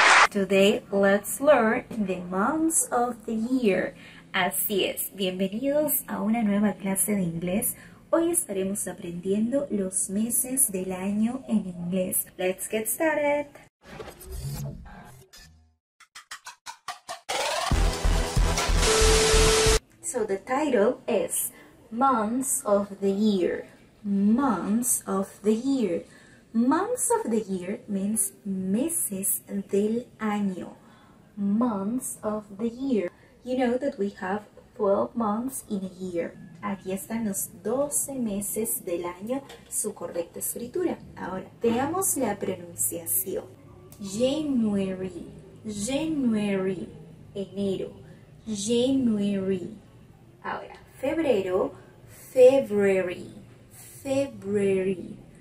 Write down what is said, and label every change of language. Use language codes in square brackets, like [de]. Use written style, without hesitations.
[en] Today, let's learn the months of the year. [es] Así es, bienvenidos a una nueva clase de inglés. Hoy estaremos aprendiendo los meses del año en inglés. [en] Let's get started. So the title is Months of the Year. Months of the Year. Months of the year means [es] meses del año. [en] Months of the year. You know that we have 12 months in a year. [es] Aquí están los 12 meses del año, su correcta escritura. Ahora, veamos la pronunciación. January. [en] January. Enero. January. [es] Ahora, febrero. February. February.